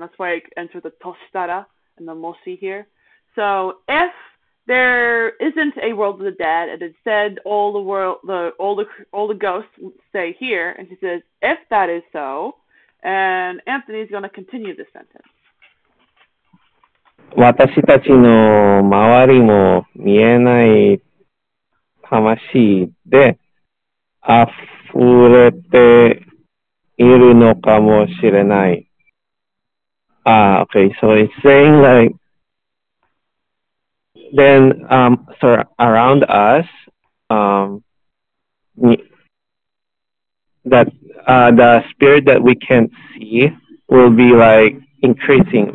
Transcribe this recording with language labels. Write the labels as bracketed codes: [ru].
[en] That's why I enter the toshitara and the moshi here. So if there isn't a world of the dead, and instead all the ghosts stay here. And she says, if that is so, and Anthony's going to continue this sentence. [ja] 私たちの周りも見えない魂で溢れているのかもしれない。 [en] Okay, so it's saying like,Then, so around us, the spirit that we can't see will be like increasing.